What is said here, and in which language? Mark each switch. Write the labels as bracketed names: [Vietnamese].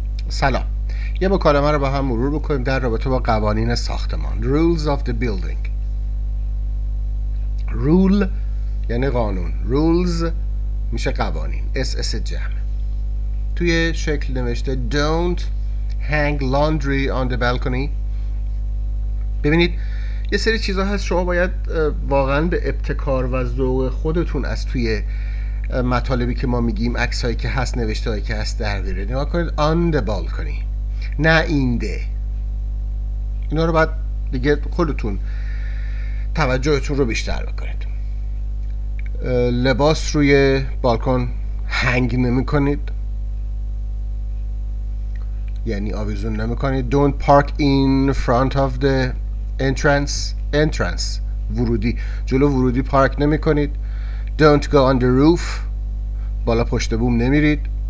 [Persian] سلام، یه مکالمه رو با هم مرور بکنیم در رابطه با قوانین ساختمان. [English] Rules of the building. [Persian] Rule یعنی قانون. Rules میشه قوانین. SS جمع. توی شکل نوشته [English] Don't hang laundry on the balcony. [Persian] ببینید یه سری چیزا هست شما باید واقعا به ابتکار و ذوق خودتون از توی مطالبی که ما میگیم، عکسایی که هست، نوشته هایی که هست در بیاره. نگاه کنید [English] on the balcony، [Persian] نه اینده. اینا رو بعد دیگه خودتون توجهتون رو بیشتر بکنید. لباس روی بالکن هنگ نمی کنید، یعنی آویزون نمی کنید. [English] Don't park in front of the entrance، [Persian] ورودی، جلو ورودی پارک نمی کنید. [English] Don't go on the roof، [Persian] بالا پشت بوم نمیرید.